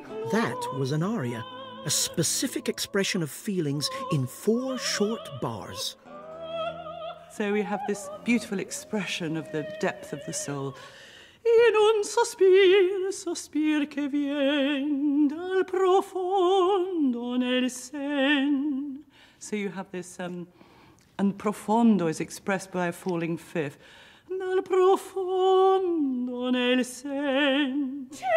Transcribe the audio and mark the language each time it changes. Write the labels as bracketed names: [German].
[English] That was an aria, a specific expression of feelings in four short bars. So we have this beautiful expression of the depth of the soul. [Italian] In un sospir, sospir che vien dal profondo nel sen. [English] So you have this, and profondo is expressed by a falling fifth. [Italian] Dal profondo nel sen.